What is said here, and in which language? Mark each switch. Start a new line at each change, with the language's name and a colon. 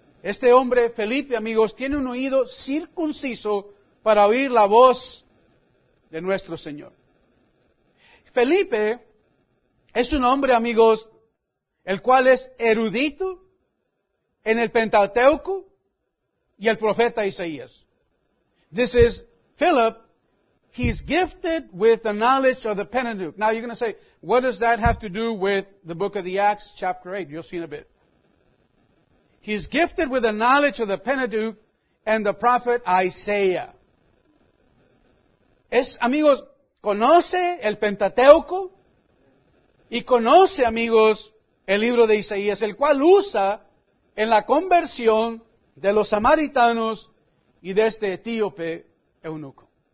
Spanish: Este hombre, Felipe, amigos, tiene un oído circunciso para oír la voz de nuestro Señor. Felipe es un hombre, amigos, el cual es erudito en el Pentateuco y el profeta Isaías.
English: This is Philip. He's gifted with the knowledge of the Pentateuch. Now you're going to say, what does that have to do with the book of the Acts, chapter 8? You'll see in a bit. He's gifted with the knowledge of the Pentateuch and the prophet Isaiah.
Spanish: Es, amigos, conoce el Pentateuco y conoce, amigos, el libro de Isaías, el cual usa en la conversión de los samaritanos y de este etíope eunuco.